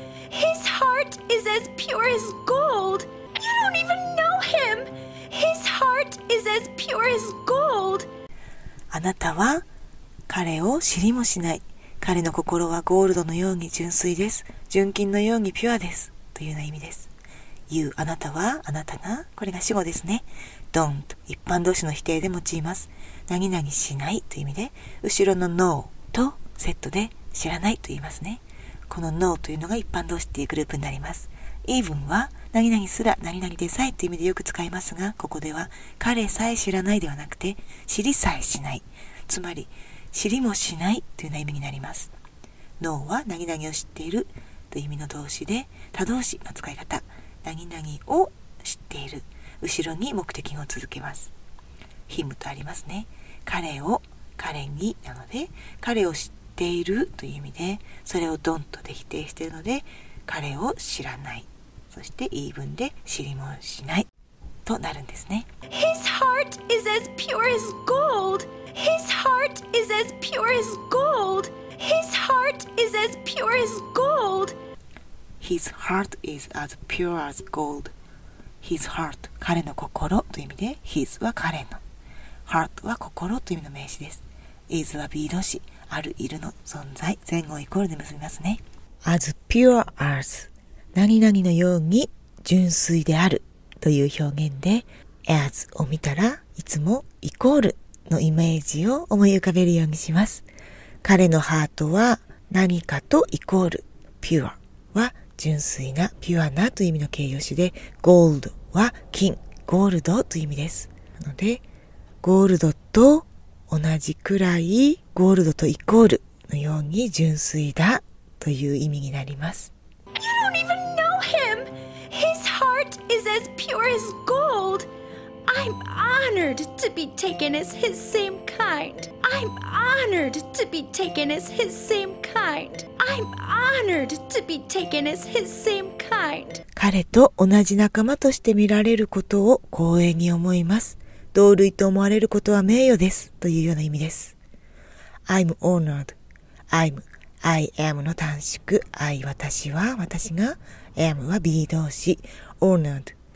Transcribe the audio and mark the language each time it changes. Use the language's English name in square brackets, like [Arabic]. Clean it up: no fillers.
[English] His heart is as pure as gold. You don't even know him. His heart is as pure as gold. [Japanese] あなたは彼を知りもしない。彼の心はゴールドのように純粋です。純金のようにピュアです。というような意味です。You、 あなたは、あなたが、これが主語ですね。 Don't、 一般動詞の否定で用います。何々しないという意味で、後ろの No とセットで知らないと言いますね。この No というのが一般動詞というグループになります。Even は、何々すら、何々でさえという意味でよく使いますが、ここでは彼さえ知らないではなくて、知りさえしない。つまり、知りもしないというような意味になります。No は、何々を知っているという意味の動詞で、他動詞の使い方。何々を知っている、後ろに目的を続けます。him とありますね。彼を、彼になので、彼を知っているという意味で、それを don't で否定しているので、彼を知らない、そして even で知りもしないとなるんですね。 [English] His heart is as pure as gold. His heart is as pure as gold. His heart is as pure as gold. His heart is as pure as gold. His heart, [Japanese] 彼の心という意味で、 his は彼の、 heart は心という意味の名詞です。 is は be 動詞、ある、いるの存在、前後イコールで結びますね。 [English] as pure as、 [Japanese] 何々のように純粋であるという表現で、 as を見たらいつもイコールのイメージを思い浮かべるようにします。彼のハートは何かとイコール、 pure は純粋な、ピュアなという意味の形容詞で、ゴールドは金、ゴールドという意味です。なのでゴールドと同じくらい、ゴールドとイコールのように純粋だという意味になります。 [English] You don't even know him. His heart is as pure as gold. I'm honored to be taken as his same kind. I'm honored to be taken as his same kind. I'm honored to be taken as his same kind. [Japanese] 彼と同じ仲間として見られることを光栄に思います。同類と思われることは名誉です。というような意味です。 [English] I'm honored. I'm, I am の短縮。 [Japanese] I、私は、私が。Am は be 動詞。Honored。